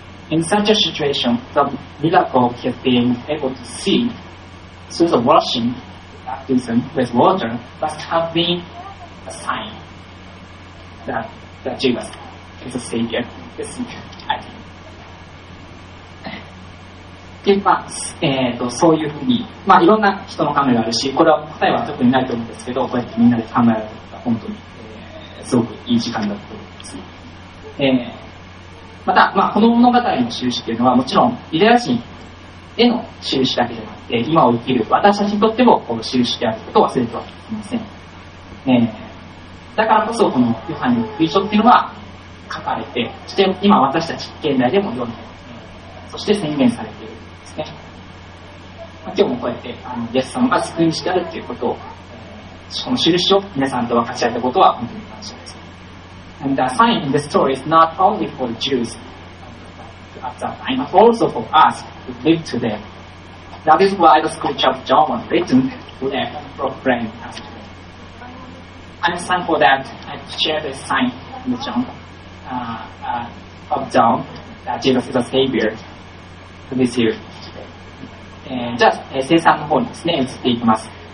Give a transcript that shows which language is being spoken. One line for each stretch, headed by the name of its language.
English: In such a situation, the miracle he has been able to see through the washing baptism with water must have been a sign that Jesus is a savior. This is the idea.
Japanese: で、まあ、そういうふうに、まあ、いろんな人の考えがあるし、これは答えは特にないと思うんですけど、こうやってみんなで考えられたら本当に、すごくいい時間だったと思います。また、まあ、この物語の印というのは、もちろん、ユダヤ人への印だけじゃなくて、今を生きる私たちにとっても、この印であることを忘れてはいません。だからこそ、このヨハネの福音書っていうのは書かれて、そして今私たち、現代でも読んで、そして宣言されている。今日もこうやってイエス様が救い主であるということを、その印を皆さんと分かち合ったことは本当に感謝です。
English: And the sign in the story is not only for the Jews at that time, but also for us who live today. That is why the scripture of John was written to them and proclaimed us today. I'm thankful that I share this sign in the John, of John that Jesus is a savior to this year.
Japanese: じゃあ、生産の方にですね、移っていきます。